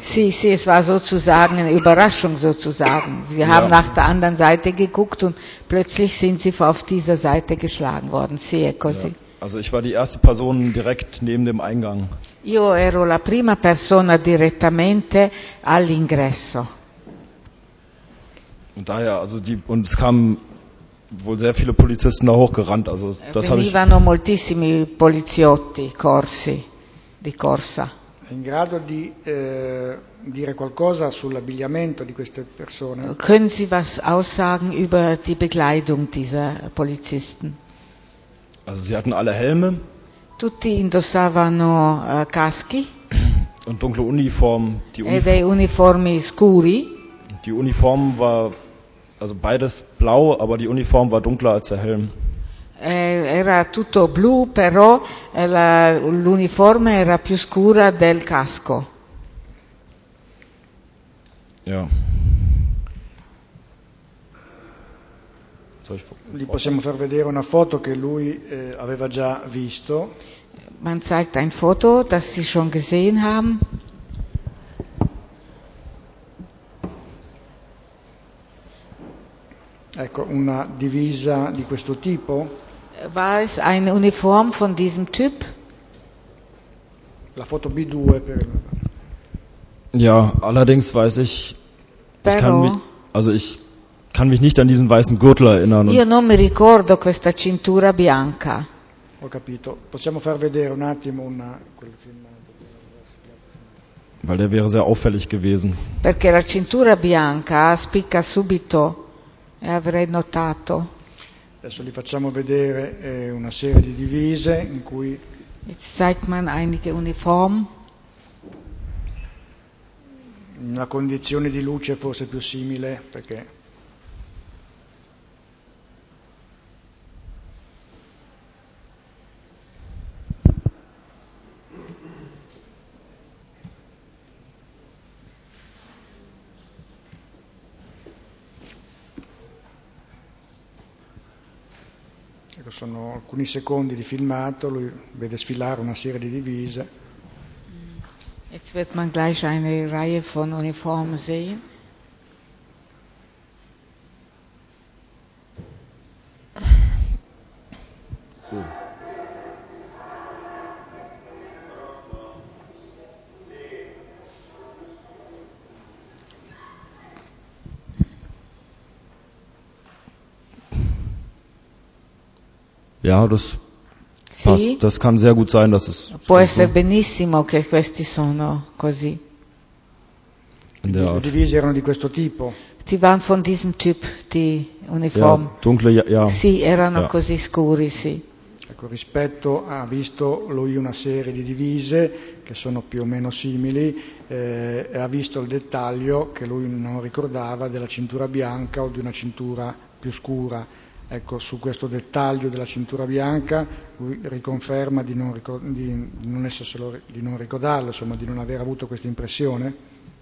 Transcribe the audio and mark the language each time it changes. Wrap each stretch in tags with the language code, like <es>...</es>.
<it>Sì, sì,</it> <de>es war sozusagen eine Überraschung, sozusagen. Sie haben nach der anderen Seite geguckt und plötzlich sind sie auf dieser Seite geschlagen worden.</de> <it>Sì, è così.</it> <de>Also ich war die erste Person direkt neben dem Eingang.</de> <it>Io ero la prima persona direttamente all'ingresso.</it> <de>Und daher, also die, und es kamen wohl sehr viele Polizisten da hochgerannt, also das habe ich.</de> <it>Venivano moltissimi poliziotti corsi, di corsa. In grado di dire qualcosa sull'abbigliamento di queste persone?</it> <de>Können Sie was aussagen über die Bekleidung dieser Polizisten? Also sie hatten alle Helme.</de> <it>Tutti indossavano caschi.</it> <de>Und dunkle Uniformen.</de> <it>Dei uniformi scuri.</it> <de>Die Uniform war, also beides blau, aber die Uniform war dunkler als der Helm.</de> <it>Era tutto blu, però l'uniforme era più scura del casco.</it> <de>Ja.</de> <it>Li possiamo far vedere una foto che lui aveva già visto.</it> <de>Man zeigt ein Foto, das sie schon gesehen haben.</de> <it>Ecco, una divisa di questo tipo.</it> <de>War es eine Uniform von diesem Typ?</de> <it>La foto B2 per.</it> <de>Ja, allerdings weiß ich,</de> <it>però,</it> <de>ich kann mich nicht an diesen weißen Gürtel erinnern.</de> <it>Io non mi ricordo questa cintura bianca. Ho capito. Possiamo far vedere un attimo una quel film.</it> <de>Weil der wäre sehr auffällig gewesen.</de> <it>Perché la cintura bianca spicca subito e avrei notato. Adesso li facciamo vedere una serie di divise in cui.</it> <de>Jetzt zeigt man einige Uniform.</de> <it>Una condizione di luce forse più simile perché. Sono alcuni secondi di filmato, lui vede sfilare una serie di divise.</it> <de>Jetzt wird man gleich eine Reihe von Uniformen sehen.</de> <en>Cool.</en> <de>Ja, das passt. Das kann sehr gut sein, dass es</de> <it>può so essere benissimo che questi sono così.</it> <de>In der Art. Die</de> <it>Divise erano di questo tipo.</it> <de>Die waren von diesem Typ, die Uniform. Ja, dunkle, ja.</de> <it>Sì, erano ja. Così scuri, sì. Ecco, rispetto ha visto lui una serie di divise che sono più o meno simili e ha visto il dettaglio che lui non ricordava della cintura bianca o di una cintura più scura. Ecco, su questo dettaglio della cintura bianca lui riconferma di non ricordarlo, insomma di non aver avuto questa impressione.</it>